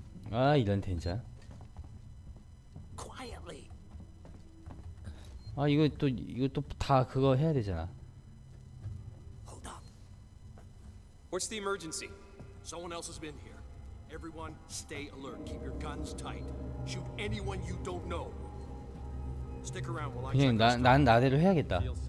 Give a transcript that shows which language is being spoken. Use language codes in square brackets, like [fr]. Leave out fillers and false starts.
[ko] 아, 이런 된자. 아, 이거 또 다 그거 해야 되잖아. [en] Hold up. What's the emergency? Someone else has been here. Everyone stay alert. Keep your guns tight. Shoot anyone you don't know. [ko] 그냥 난 나대로 해야겠다.